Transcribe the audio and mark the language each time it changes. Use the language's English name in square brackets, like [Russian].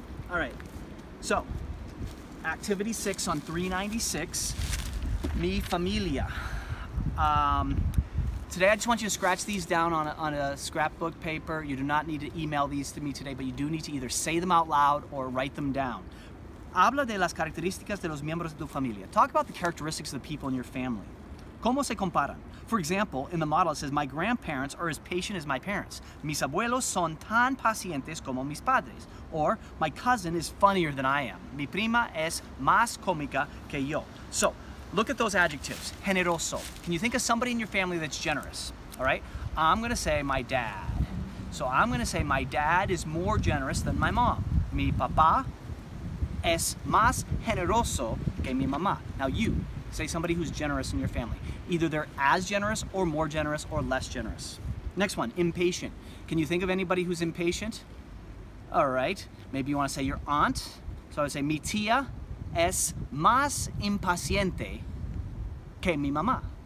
[English] All right, so activity 6 on 396, Mi Familia. Today I just want you to scratch these down on a scrapbook paper. You do not need to email these to me today, but you do need to either say them out loud or write them down. [Spanish] Habla de las características de los miembros de tu familia. [English] Talk about the characteristics of the people in your family. [Spanish] ¿Cómo se comparan? [English] For example, in the model it says, my grandparents are as patient as my parents. [Spanish] Mis abuelos son tan pacientes como mis padres. [English] Or, my cousin is funnier than I am. [Spanish] Mi prima es más cómica que yo. [English] So, look at those adjectives. Generoso. Can you think of somebody in your family that's generous? All right? I'm going to say my dad. So I'm going to say my dad is more generous than my mom. [Spanish] Mi papá es más generoso que mi mamá. [English] Now you, say somebody who's generous in your family. Either they're as generous or more generous or less generous. Next one, impatient. Can you think of anybody who's impatient? All right, maybe you want to say your aunt. So I would say [Spanish] mi tía es más impaciente que mi mamá.